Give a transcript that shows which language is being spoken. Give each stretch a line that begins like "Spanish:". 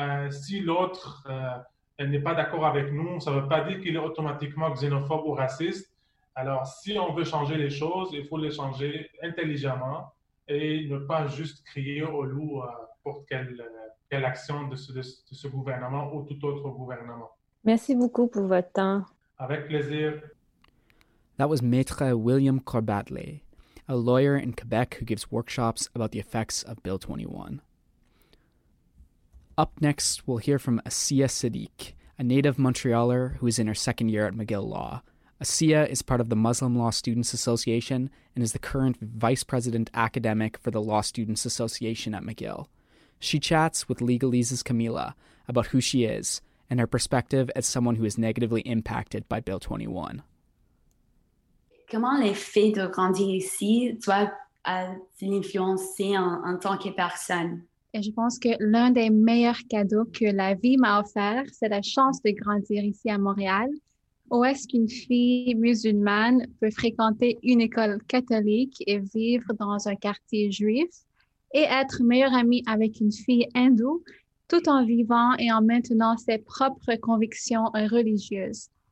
French: Si l'autre n'est pas d'accord avec nous, ça ne veut pas dire qu'il est automatiquement xénophobe ou raciste. Alors, si on veut changer les choses, il faut les changer intelligemment et ne pas juste crier au loup pour quelle action de ce gouvernement ou tout autre gouvernement. Merci beaucoup pour votre temps. Avec plaisir.
English: That was Maître William Corbatley, a lawyer in Quebec who gives workshops about the effects of Bill 21. Up next, we'll hear from Asiya Siddiq, a native Montrealer who is in her second year at McGill Law. Asiya is part of the Muslim Law Students Association and is the current Vice President Academic for the Law Students Association at McGill. She chats with Legalese's Camila about who she is and her perspective as someone who is negatively impacted by Bill 21.
French: Comment le fait de grandir ici doit t'influencer en tant que personne? Et je pense que l'un des meilleurs cadeaux que la vie m'a offert, c'est la chance de grandir ici à Montréal. Où est-ce qu'une fille musulmane peut fréquenter une école catholique et vivre dans un quartier juif et être meilleure amie avec une fille hindoue tout en vivant et en maintenant ses propres convictions religieuses?